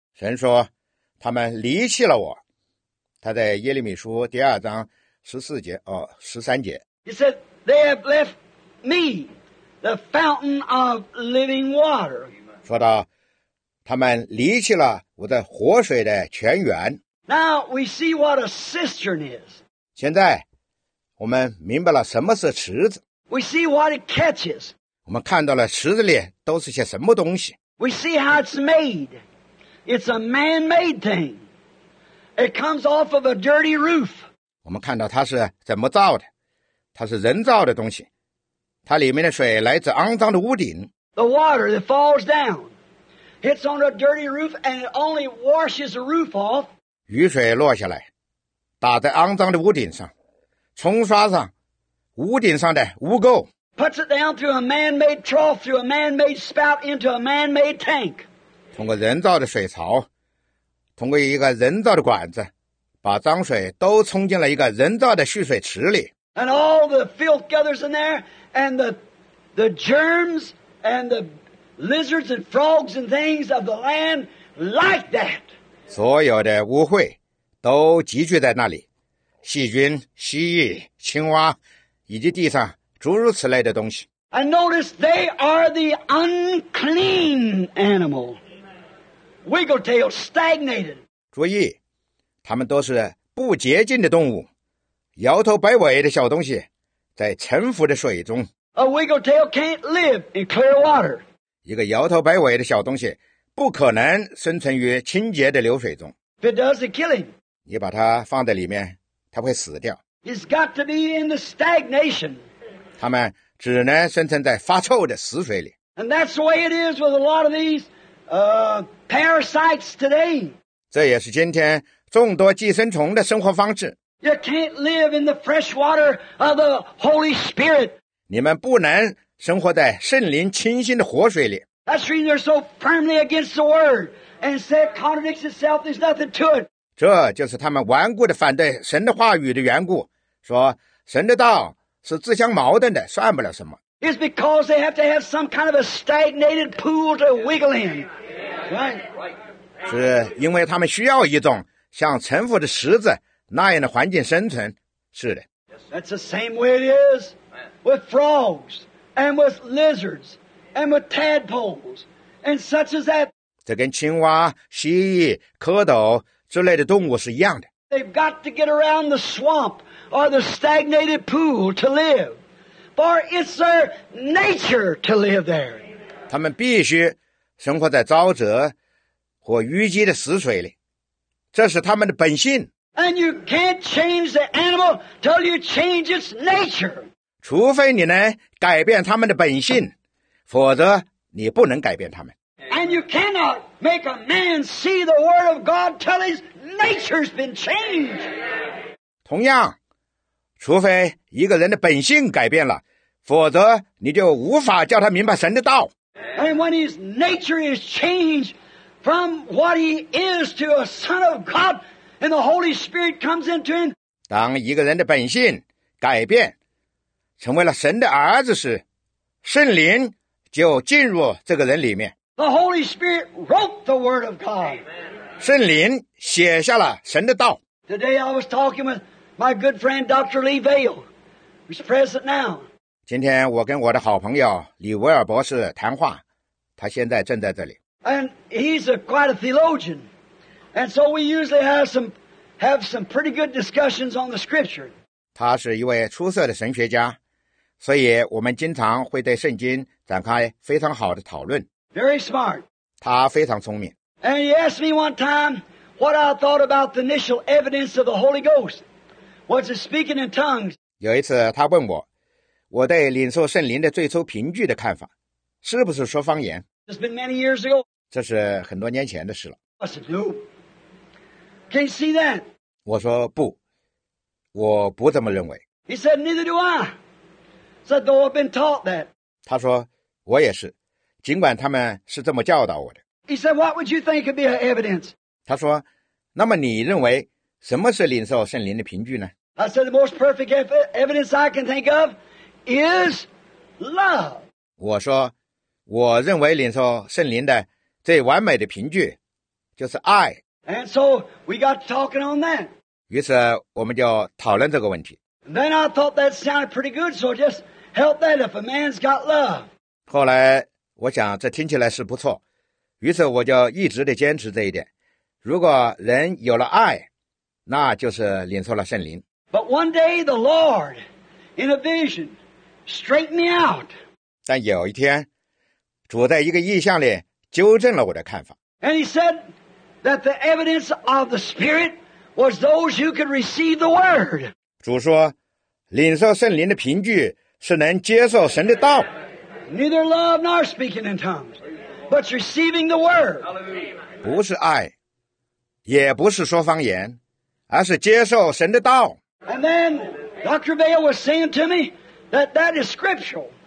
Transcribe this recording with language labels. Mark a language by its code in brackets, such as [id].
[zh] 神说，他们离弃了我。他在耶利米书第二章14节哦13节。 [en] He said they have left me, the fountain of living water. [zh] 说到他们离弃了我的活水的泉源。 [en] Now we see what a cistern is. [zh] 现在我们明白了什么是池子。 [en] We see what it catches. [zh] 我们看到了池子里都是些什么东西。 [en] We see how it's made. It's a man-made thing. It comes off of a dirty roof. [zh] 我们看到它是怎么造的，它是人造的东西。它里面的水来自肮脏的屋顶。 [en] The water that falls down. It's on a dirty roof, and it only washes the roof off. [zh] 雨水落下来，打在肮脏的屋顶上，冲刷上屋顶上的污垢。 [en] Puts it down through a man-made trough, through a man-made spout, into a man-made tank. [zh] 通过人造的水槽，通过一个人造的管子，把脏水都冲进了一个人造的蓄水池里。 [en] And all the filth gathers in there, and the germs and the lizards and frogs and things of the land like that. [zh] 所有的污秽都集聚在那里，细菌、蜥蜴、青蛙，以及地上诸如此类的东西。 [en] And notice they are the unclean animal. Wiggle tail stagnated. [zh] 注意，他们都是不洁净的动物，摇头摆尾的小东西，在沉浮的水中。 [en] A wiggle tail can't live in clear water. [zh] 一个摇头摆尾的小东西不可能生存于清洁的流水中。 [en] If it does, it kills him. [zh] 你把它放在里面，它会死掉。 [en] It's got to be in the stagnation. [zh] 它们只能生存在发臭的死水里。 [en] And that's the way it is with a lot of these parasites today. [zh] 这也是今天众多寄生虫的生活方式。 [en] You can't live in the fresh water of the Holy Spirit. [zh] 你们不能生活在圣灵清新的活水里。 [en] That's why they're so firmly against the word and say it contradicts itself. There's nothing to it. [zh] 这就是他们顽固地反对神的话语的缘故，说神的道是自相矛盾的，算不了什么。 [en] is because they have to have some kind of a stagnated pool to wiggle in. Right? [zh] 是因为他们需要一种像沉浮的石子那样的环境生存。是的。 [en] That's the same way it is with frogs and with lizards and with tadpoles and such as that. [zh] 这跟青蛙、蜥蜴、蝌蚪之类的动物是一样的。 [en] They've got to get around the swamp or the stagnated pool to live, for it's their nature to live there. [zh] 他们必须生活在沼泽或淤积的死水里，这是他们的本性。 [en] And you can't change the animal till you change its nature. [zh] 除非你能改变他们的本性，否则你不能改变他们。 [en] And you cannot make a man see the word of God till his nature's been changed. [zh] 同样，除非一个人的本性改变了，否则你就无法叫他明白神的道。 [en] And when his nature is changed from what he is to a son of God, and the Holy Spirit comes into him. [zh] 当一个人的本性改变，成为了神的儿子时，圣灵就进入这个人里面。 [en] The Holy Spirit wrote the Word of God. [zh] 圣灵写下了神的道。 [en] Today I was talking with my good friend Dr. Lee Vail, who's present now. [zh] 今天我跟我的好朋友李维尔博士谈话，他现在正在这里。 [en] And he's quite a theologian. And so we usually have some pretty good discussions on the scripture. [zh] 他是一位出色的神学家，所以我们经常会对圣经展开非常好的讨论。 [en] Very smart. [zh] 他非常聪明。 [en] And he asked me one time what I thought about the initial evidence of the Holy Ghost, was it speaking in tongues? [zh] 有一次他问我，我对领受圣灵的最初凭据的看法，是不是说方言？ [en] It's been many years ago. [zh] 这是很多年前的事了。 [en] I said, no. Can you see that? [zh] 我说不，我不这么认为。 [en] He said, neither do I. Said, though I've been taught that. [zh] 他说我也是，尽管他们是这么教导我的。 [en] He said, what would you think could be an evidence? [zh] 他说那么你认为什么是领受圣灵的凭据呢？ [en] I said, the most perfect evidence I can think of is love. [zh] 我说我认为领受圣灵的最完美的凭据就是爱。 [en] And so we got talking on that. [zh] 于是我们就讨论这个问题。 [en] And then I thought that sounded pretty good, so just help that if a man's got love. [zh] 后来我想这听起来是不错，于是我就一直地坚持这一点。如果人有了爱，那就是领受了圣灵。 [en] But one day the Lord, in a vision, straightened me out. [zh] 但有一天主在一个意象里纠正了我的看法。 [en] And he said that the evidence of the Spirit was those who could receive the Word. [zh] 主说，领受圣灵的凭据是能接受神的道。 [en] Neither love nor speaking in tongues, but receiving the Word. [zh] 不是爱，也不是说方言，而是接受神的道。 [en] And then Dr. Vail was saying to me that that is scriptural.